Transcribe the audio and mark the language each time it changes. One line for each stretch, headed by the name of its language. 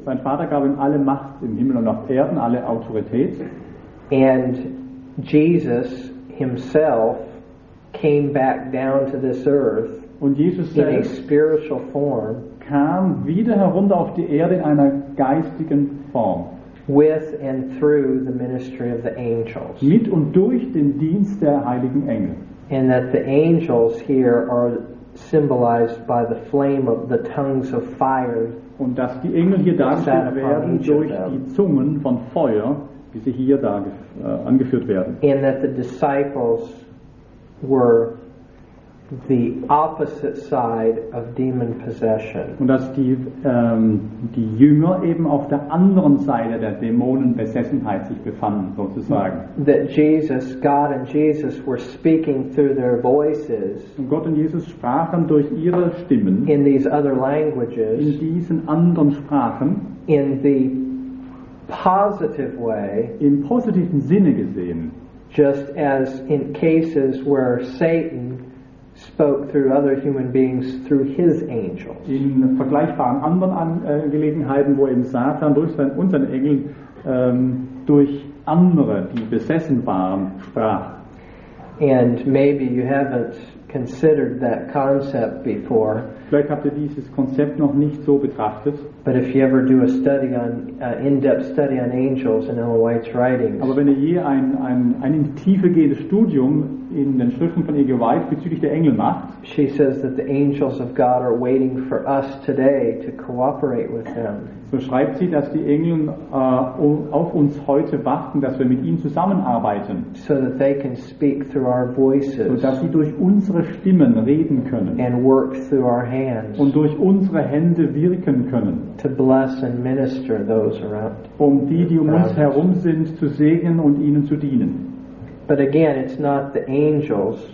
German: Sein Vater gab ihm alle Macht im Himmel und auf Erden, alle Autorität.
English: And Jesus himself came back down to this earth.
German: Und Jesus
English: in a spiritual form
German: kam wieder herunter auf die Erde in einer geistigen Form.
English: With and through the ministry of the angels.
German: Mit und durch den Dienst der heiligen Engel.
English: And that the angels here are symbolized by the flame of the tongues of fire.
German: Und dass die Engel hier dargestellt werden durch die Zungen von Feuer, wie sie hier da angeführt werden.
English: And that the disciples were the opposite side of demon possession.
German: Und dass die Jünger eben auf der anderen Seite der Dämonenbesessenheit sich befanden, sozusagen.
English: That Jesus, God and Jesus were speaking through their voices.
German: Und Gott und Jesus sprachen durch ihre Stimmen.
English: In these other languages.
German: In diesen anderen Sprachen.
English: In the positive way.
German: Im positiven Sinne gesehen.
English: Just as in cases where Satan spoke through other human beings through his angels.
German: In vergleichbaren anderen Angelegenheiten, wo eben Satan durch unseren Engeln durch andere, die besessen waren, sprach.
English: And maybe you haven't considered that concept before.
German: Vielleicht habt ihr dieses Konzept noch nicht so betrachtet.
English: But if you ever do a study on in-depth study on angels in Ellen White's writings.
German: Aber wenn ihr je ein tiefergehendes Studium in den Schriften von E.G. White bezüglich der Engel macht,
English: she says that the angels of God are waiting for us today to cooperate with them.
German: So schreibt sie, dass die Engel auf uns heute warten, dass wir mit ihnen zusammenarbeiten.
English: So that they can speak through our voices.
German: So dass sie durch unsere Stimmen reden können.
English: And work through our hands.
German: Und durch unsere Hände wirken können.
English: To bless and minister those around.
German: Um die uns herum sind, zu segnen und ihnen zu dienen.
English: But again, it's not the angels.